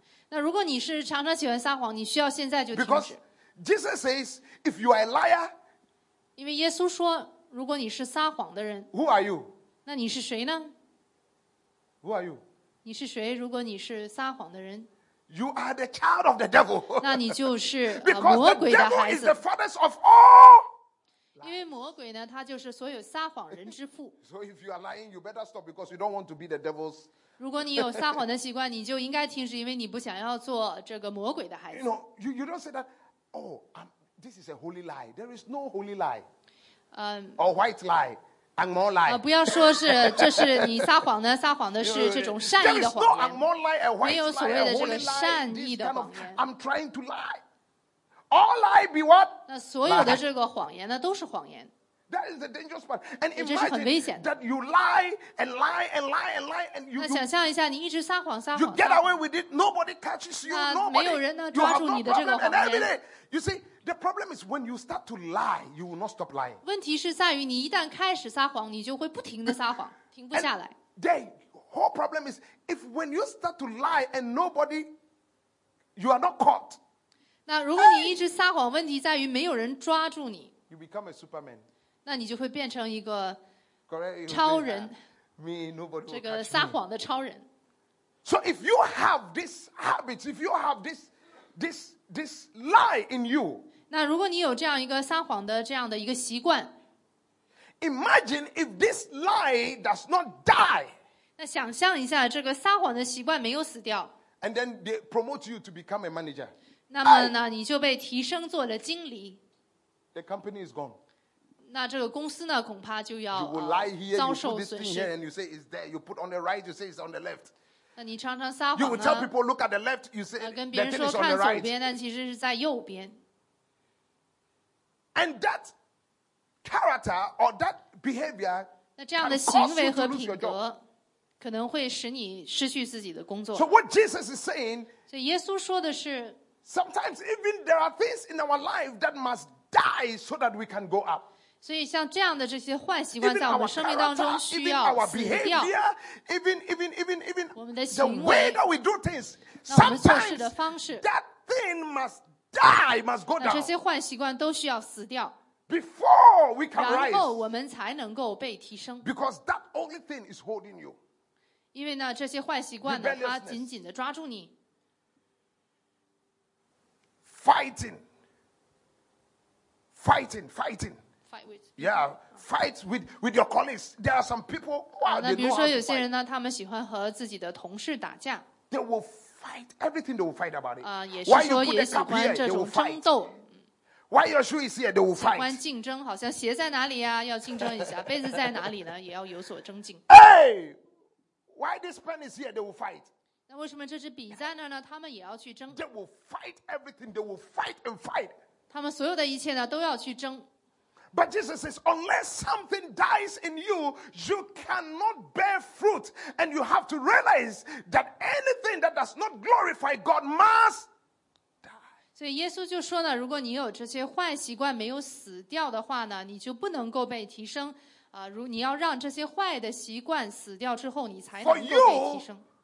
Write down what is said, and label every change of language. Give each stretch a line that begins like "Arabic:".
Chinese: 那如果你是常常喜欢撒谎，你需要现在就停止。
English: Because Jesus says, if you are a liar.
Chinese: 因为耶稣说。如果你是撒谎的人
English: ，Who are you？
Chinese: 那你是谁呢
English: ？Who are you？
Chinese: 你是谁？如果你是撒谎的人
English: ，You are the child of the devil。
Chinese: 那你就是魔鬼的孩子。
English: Because the devil is the father of all。
Chinese: 因为魔鬼呢，他就是所有撒谎人之父。
English: So if you are lying, you better stop because you don't want to be the devil's。
Chinese: 如果你有撒谎的习惯，你就应该停止，因为你不想要做这个魔鬼的孩子。
English: You know, you don't say that. Oh, this is a holy lie. There is no holy lie. Or white lie, and more lie.
Chinese: 不要说是这是你撒谎的，撒谎的是这种善意的谎言。
English: There is no more lie, a white lie, a holy lie.
Chinese: 没有所谓的这个善意的谎言。
English: I'm trying to lie. All lie be what?
Chinese: 那所有的这个谎言呢，都是谎言。
English: That is the dangerous part. And imagine
Chinese: 这是很危险的。
English: That you lie and lie and lie and lie and you.
Chinese: 那想象一下，你一直撒谎撒谎。
English: You get away with it. Nobody catches you. Nobody.
Chinese: 没有人呢抓住你的这个谎言。
English: You see. The problem is when you start to lie, you will not stop lying.
Chinese: 问题是在于你一旦开始撒谎，你就会不停的撒谎，停不下来。
English: The whole problem is if when you start to lie and nobody, you are not caught.
Chinese: 那如果你一直撒谎，问题在于没有人抓住你。
English: You become a superman.
Chinese: 那你就会变成一个超人。
English: Me, nobody.
Chinese: 这个撒谎的超人。
English: So if you have this habit, if you have this lie in you.
Chinese: 那如果你有这样一个撒谎的这样的一个习惯
English: ，Imagine if this lie does not die.
Chinese: 那想象一下，这个撒谎的习惯没有死掉。
English: And then they promote you to become a manager.
Chinese: 那么呢，你就被提升做了经理。
English: The company is gone.
Chinese: 那这个公司呢，恐怕就要遭受损
English: 失。You will lie here, you put this thing here, and you say it's there. You put on the right, you say it's on the left. You will tell people, look at the left, you say, the thing is on the right. And that character or that behavior can cause you to lose your job.
Chinese: 可能会使你失去自己的工作。
English: So what Jesus is saying,
Chinese: 所以耶稣说的是
English: Sometimes even there are things in our life that must die so that we can go up.
Chinese: 所以像这样的这些坏习惯在我们生命当中需要死掉。
English: Even
Chinese: 我们的行
English: 为 the way that we do things,
Chinese: 那我们做事的方式
English: that thing must die, must go down.
Chinese: 那这些坏习惯都需要死掉。
English: Before we can rise.
Chinese: 然后我们才能够被提升。
English: Because that only thing is holding you.
Chinese: 因为呢，这些坏习惯呢，它紧紧地抓住你。
English: Fighting. Fight with your colleagues. There are some people who are.
Chinese: 那比如说有些人呢，他们喜欢和自己的同事打架。
English: They will fight everything. They will fight about it.
Chinese: 也是说也喜欢这种争斗。
English: Why your shoe is here? They will fight.
Chinese: 喜欢竞争，好像鞋在哪里呀？要竞争一下。被子在哪里呢？也要有所增进。
English: Hey! Why this pen is here? They will fight.
Chinese: 那为什么这支笔在那呢？他们也要去争。
English: They will fight everything. They will fight and fight.
Chinese: 他们所有的一切呢，都要去争。
English: But Jesus says, unless something dies in you, you cannot bear fruit, and you have to realize that anything that does not glorify God must die.
Chinese: 所以耶稣就说呢，如果你有这些坏习惯没有死掉的话呢，你就不能够被提升。如你要让这些坏的习惯死掉之后，你才能够被提升。